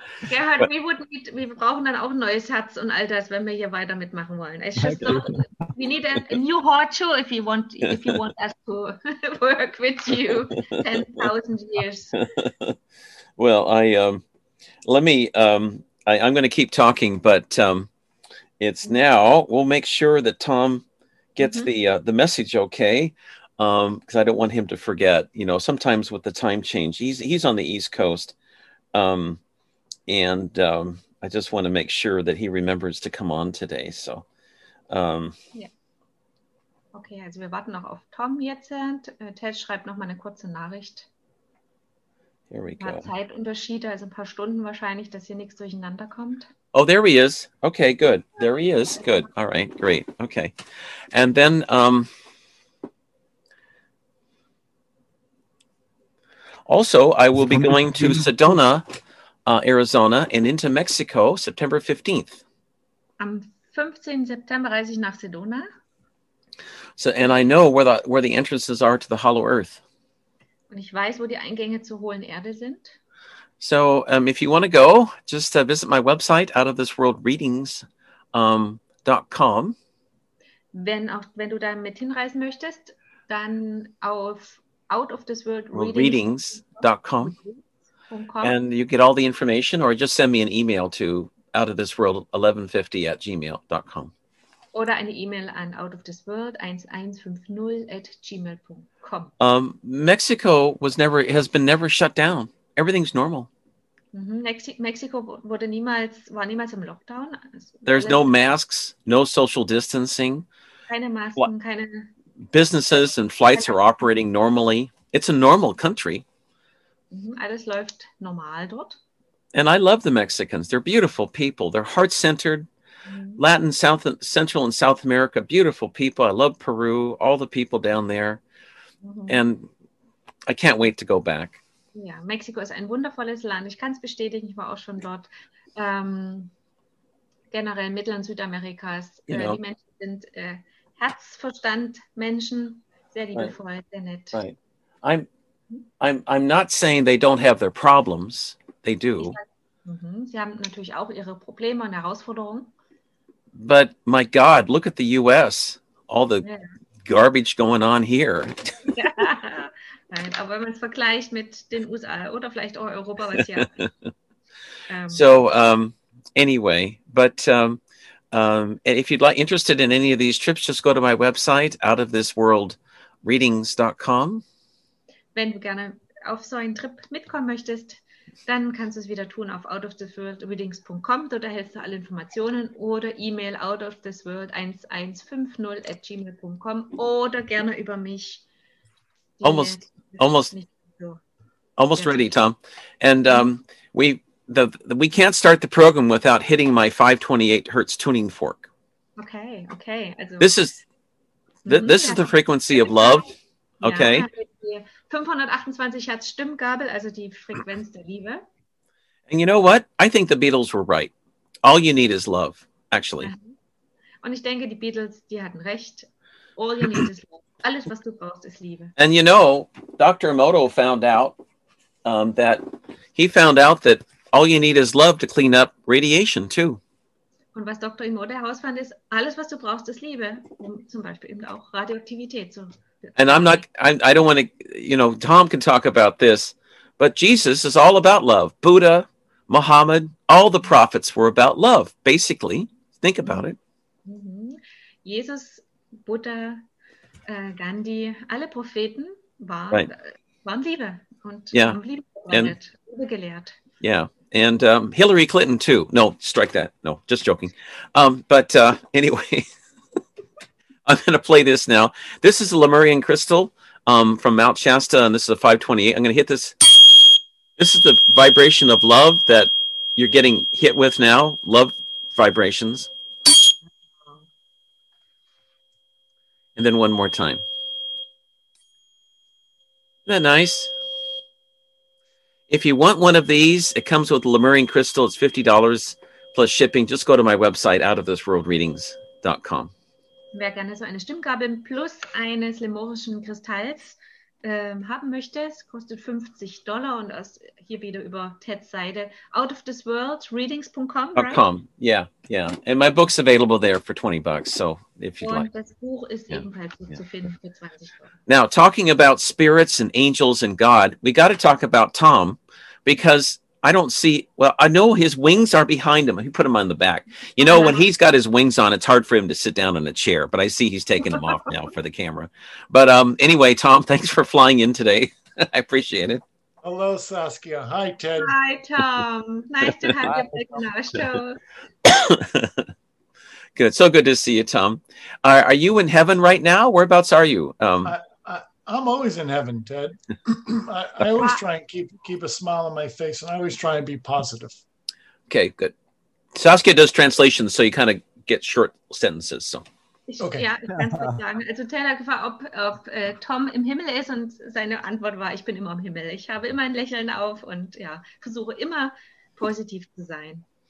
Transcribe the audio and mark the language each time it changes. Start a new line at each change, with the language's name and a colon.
German: Gerhard, wir brauchen dann auch ein neues Herz und all das, wenn wir hier weiter mitmachen wollen.
English: It's just so, we need a new heart too, if you want us to work with you 10,000 years. Well, I'm going to keep talking, but it's now. We'll make sure that Tom gets the message okay, because I don't want him to forget. You know, sometimes with the time change, he's on the East Coast. And I just want to make sure that he remembers to come on today. So, yeah.
German: Okay, also wir warten noch auf Tom jetzt. Ted schreibt noch mal eine kurze Nachricht.
English: Here we go.
German: Zeitunterschiede, also ein paar Stunden wahrscheinlich, dass hier nichts durcheinander kommt.
English: Oh, there he is. Okay, good. There he is. Good. All right, great. Okay. And then, also, I will be going to Sedona, Arizona, and into Mexico, September 15th.
German: Am 15. September reise ich nach Sedona.
English: So, and I know where the entrances are to the Hollow Earth.
German: Und ich weiß, wo die Eingänge zur hohlen Erde sind.
English: So, if you want to go, just visit my website, outofthisworldreadings.com.
German: Wenn du da mit hinreisen möchtest, dann auf
English: outofthisworldreadings.com. And you get all the information, or just send me an email to outofthisworld1150@gmail.com.
German: Oder eine E-Mail an outofthisworld1150@gmail.com.
English: Mexico has been never shut down. Everything's normal.
German: Mexico war niemals im Lockdown.
English: There's no masks, no social distancing.
German: Keine Masken, keine.
English: Businesses and flights are operating normally. It's a normal country.
German: Alles läuft normal dort.
English: And I love the Mexicans. They're beautiful people. They're heart-centered. Latin, South, Central and South America, beautiful people. I love Peru, all the people down there. And I can't wait to go back.
German: Ja, Mexiko ist ein wundervolles Land. Ich kann es bestätigen. Ich war auch schon dort. Generell Mittel- und Südamerikas. Die Menschen sind Herzverstand-Menschen. Sehr liebevoll, right. Sehr nett.
English: Right. I'm not saying they don't have their problems. They do.
German: Sie haben natürlich auch ihre Probleme und Herausforderungen.
English: But my God, look at the U.S. All the garbage going on here.
German: Nein, aber wenn man es vergleicht mit den USA oder vielleicht auch Europa, was hier.
English: If you'd like interested in any of these trips, just go to my website, outofthisworldreadings.com.
German: Wenn du gerne auf so einen Trip mitkommen möchtest, dann kannst du es wieder tun auf outofthisworldreadings.com. Dort erhältst du alle Informationen oder E-Mail outofthisworld1150@gmail.com oder gerne über mich.
English: Almost ready, Tom. And we can't start the program without hitting my 528 Hertz tuning fork. Okay. Also, this is the frequency of love. Okay.
German: Ja, 528 Hertz Stimmgabel, also die Frequenz der Liebe.
English: And you know what? I think the Beatles were right. All you need is love, actually.
German: Und ich denke, die Beatles, die hatten recht.
English: All you need is love.
German: Alles, was du brauchst, ist Liebe.
English: And you know, Dr. Emoto found out that all you need is love to clean up radiation, too.
German: Und was Dr. Emoto herausfand, ist, alles, was du brauchst, ist Liebe. Um zum Beispiel eben auch Radioaktivität zu.
English: And I'm not, I don't want to, you know, Tom can talk about this, but Jesus is all about love. Buddha, Muhammad, all the prophets were about love, basically. Think about it.
German: Jesus, Buddha, Gandhi, alle Propheten waren Liebe und haben Liebe gelehrt.
English: Yeah. And Hillary Clinton, too. No, strike that. No, just joking. Anyway. I'm going to play this now. This is a Lemurian crystal from Mount Shasta, and this is a 528. I'm going to hit this. This is the vibration of love that you're getting hit with now, love vibrations. And then one more time. Isn't that nice? If you want one of these, it comes with Lemurian Crystal. It's $50 plus shipping. Just go to my website, outofthisworldreadings.com.
German: Wer gerne so eine Stimmgabel plus eines lemurischen Kristalls haben möchte, es kostet $50 und das hier wieder über Teds Seite, outofthisworldreadings.com,
English: right? .com, yeah, yeah. And my book's available there for $20, so if you'd
German: und
English: like.
German: Und das Buch ist yeah. ebenfalls yeah. zu finden für $20.
English: Now, talking about spirits and angels and God, we got to talk about Tom, because I don't see, well, I know his wings are behind him. He put them on the back. You know, when he's got his wings on, it's hard for him to sit down in a chair, but I see he's taking them off now for the camera. But anyway, Tom, thanks for flying in today. I appreciate it. Hello, Saskia. Hi, Ted. Hi, Tom. Nice to have you back on our show. Good. So good to see you, Tom. Are you in heaven right now? Whereabouts are you? I'm always in heaven, Ted. I always try and keep a smile on my face, and I always try and be positive. Okay, good. Saskia does translations, so you kind of get short sentences. So. Okay.
German: Ja, ich kann es nicht sagen. Also Taylor gefragt, ob Tom im Himmel ist, und seine Antwort war, ich bin immer im Himmel. Ich habe immer ein Lächeln auf und ja, versuche immer positiv zu sein.